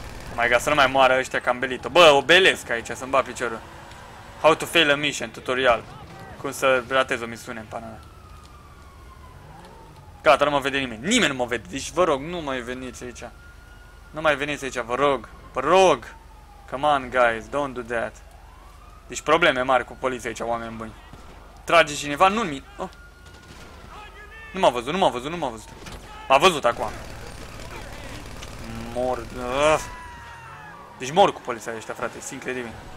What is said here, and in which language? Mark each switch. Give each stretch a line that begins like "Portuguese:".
English: Oh my god,
Romanian: să nu mai moară ăștia că am belit-o. Bă, obelesc aici, să-mi bat piciorul.
English: How to fail a mission, tutorial.
Romanian: Cum să ratez o misiune în pană. Gata, nu mă vede nimeni, nimeni nu mă vede, deci vă rog, nu mai veniți aici. Nu mai veniți aici, vă rog, vă rog.
English: Come on guys, don't do that.
Romanian: Deci probleme mari cu poliția aici, oameni buni. Trage cineva, nu-n mine. Oh. Nu m-a văzut, nu m-a văzut, nu m-a văzut. M-a văzut acum. Mor. Deci mor cu poliția ăștia, frate, sunt incredibil.